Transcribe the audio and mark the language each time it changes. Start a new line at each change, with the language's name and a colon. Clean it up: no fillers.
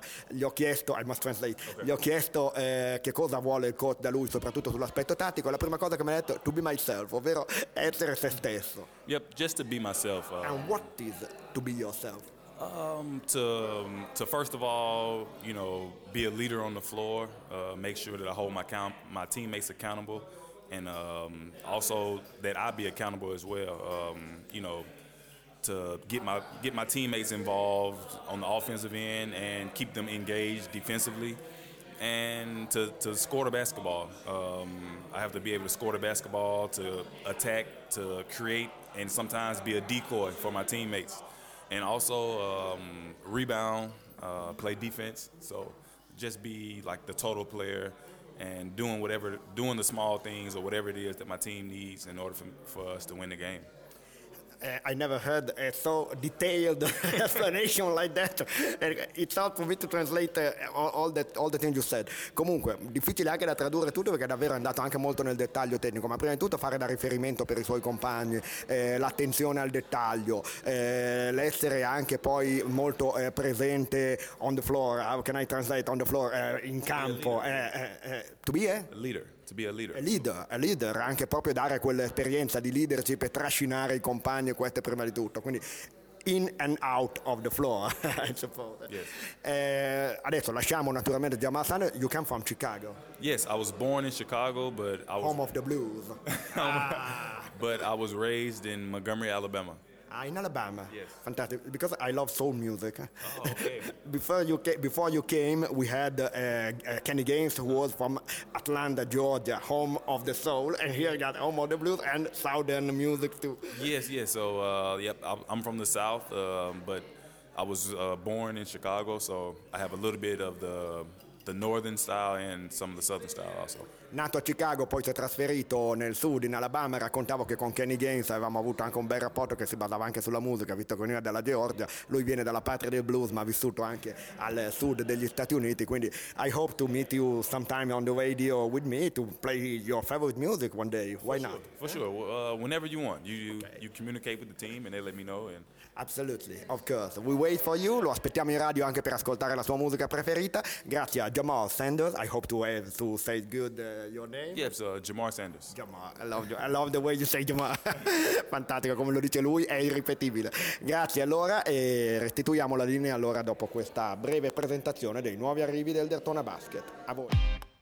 Italian: Gli ho chiesto che cosa vuole il coach da lui, soprattutto sull'aspetto tattico. La prima cosa che mi ha detto:
English: to be myself,
Italian: ovvero essere se stesso.
English: Yep, just to be myself. And what is to be yourself? To first of all, you know, be a leader on the floor. Make sure that I hold my teammates accountable, and also that I be accountable as well. You know. To get my teammates involved on the offensive end and keep them engaged defensively, and to score the basketball. I have to be able to score the basketball, to attack, to create, and sometimes be a decoy for my teammates. And also rebound, play defense. So just be like the total player and doing the small things or whatever it is that my team needs in order for us to win the game. I never heard a so detailed explanation like that. It's hard for me to translate all the things you said.
Italian: Comunque, difficile anche da tradurre tutto, perché è davvero andato anche molto nel dettaglio tecnico. Ma prima di tutto fare da riferimento per i suoi compagni, l'attenzione al dettaglio, l'essere anche poi molto presente
English: on the floor. How can I translate on the floor?
Italian: In campo.
English: A leader. To be a leader. A leader,
Italian: anche proprio dare quell'esperienza di leadership e trascinare i compagni, questo è prima di tutto. Quindi
English: in and out of the floor, I suppose. Yes.
Italian: Adesso lasciamo naturalmente
English: Jamal Sanders. You come from Chicago. Yes, I was born in Chicago, but I was home of the blues. But I was raised in Montgomery, Alabama. In Alabama. Yes. Fantastic. Because I love soul music. Oh, okay. Before you came, we had Kenny Gaines, who was from Atlanta, Georgia, home of the soul. And here you got home of the blues and southern music too. Yes. So, I'm from the south, but I was born in Chicago, so I have a little bit of the northern style and some of the southern style also.
Italian: Nato a Chicago, poi si è trasferito nel sud, in Alabama. Raccontavo che con Kenny Gaines avevamo avuto anche un bel rapporto che si basava anche sulla musica, visto che lui è dalla Georgia. Lui viene dalla patria del blues, ma ha vissuto anche al sud degli Stati Uniti. Quindi
English: I hope to meet you sometime on the radio with me to play your favorite music one day. Why for not? Sure. For sure. Whenever you want. You okay. You communicate with the team and they let me know. And absolutely, of course. We wait for you.
Italian: Lo aspettiamo in radio anche per ascoltare la sua musica preferita. Grazie a
English: Jamal Sanders. I hope to say good your name. Yes, Jamal Sanders.
Italian: Jamal,
English: I love the way you say
Italian: Jamal. Fantastico, come lo dice lui, è irripetibile. Grazie allora, e restituiamo la linea allora dopo questa breve presentazione dei nuovi arrivi del Dertona Basket. A voi.